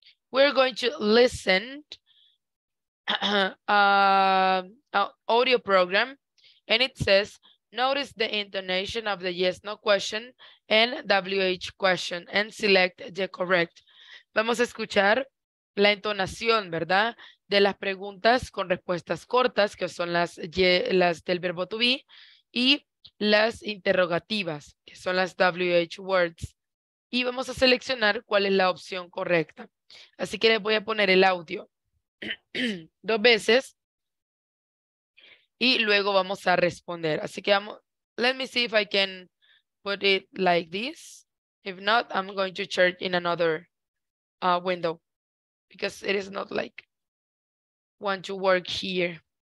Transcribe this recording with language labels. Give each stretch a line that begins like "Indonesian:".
English: We're going to listen an audio program, and it says, notice the intonation of the yes, no question and WH question and select the correct.
Spanish: Vamos a escuchar la entonación, ¿verdad? De las preguntas con respuestas cortas, que son las del verbo to be, y las interrogativas, que son las WH words, y vamos a seleccionar cuál es la opción correcta. Así que les voy a poner el audio dos veces y luego vamos a responder. Así que vamos,
English: let me see if I can put it like this. If not, I'm going to check in another window because it is not like want to work here.